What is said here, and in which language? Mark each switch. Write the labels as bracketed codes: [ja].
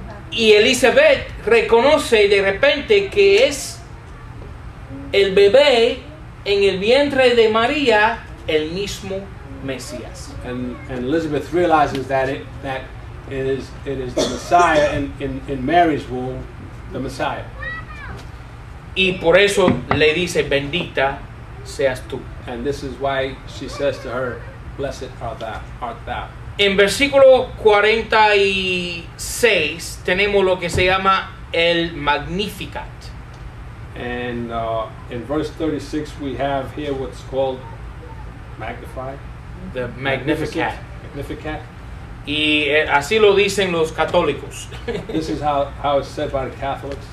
[es] y Elizabeth reconoce de repente que es el bebé en el vientre de María, el mismo Mesías. [en] And Elizabeth realizes that it is the Messiah in Mary's womb, the Messiah. [es] Y por eso le dice, bendita seas tú. [en] And this is why she says to her, blessed art thou. [es] En versículo 46 tenemos lo que se llama el Magnificat. [en] And in verse 36 we have here what's called Magnify. The Magnificat. Magnificat. [es] Y así lo dicen los católicos. [en] This is how it's said by the Catholics.